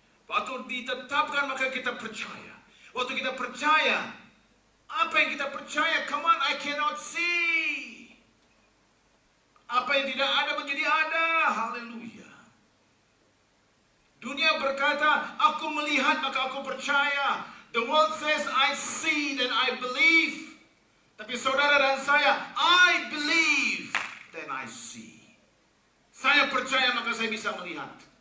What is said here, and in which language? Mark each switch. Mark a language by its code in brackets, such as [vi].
[id] Waktu ditetapkan, maka kita percaya. Waktu kita percaya, apa yang kita percaya, [en] come on, I cannot see. [id] Apa yang tidak ada menjadi ada, haleluya. Dunia berkata, aku melihat maka aku percaya. [en] The world says, I see then I believe. [id] Tapi saudara dan saya, [en] I believe then I see. [id] Saya percaya maka saya bisa melihat.